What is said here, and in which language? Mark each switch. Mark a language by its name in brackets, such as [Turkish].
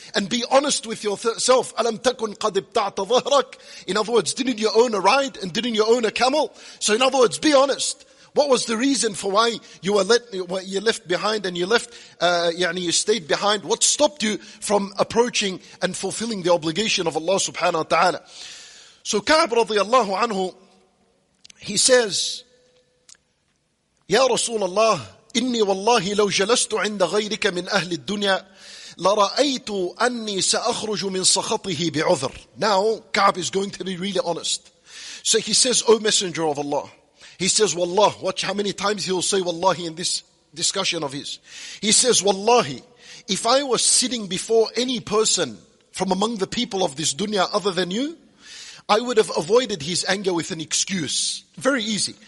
[English] And be honest with yourself. [Arabic] أَلَمْ تَكُنْ قَدْ ابْتَعْتَ ظَهْرَكْ. [English] In other words, didn't you own a ride and didn't you own a camel? So in other words, be honest. What was the reason for why you were let, you left behind and you left, you stayed behind? What stopped you from approaching and fulfilling the obligation of Allah subhanahu wa ta'ala? So Ka'b radiallahu anhu, he says, [Arabic] Ya Rasulullah, إني والله لو جلست عند غيرك من أهل الدنيا لرأيت أني سأخرج من سخطه بعذر. [English] Now Ka'b is going to be really honest. So he says, O Messenger of Allah. He says, Wallah. Watch how many times he will say Wallahi in this discussion of his. He says, Wallahi, if I was sitting before any person from among the people of this dunya other than you, I would have avoided his anger with an excuse. Very easy.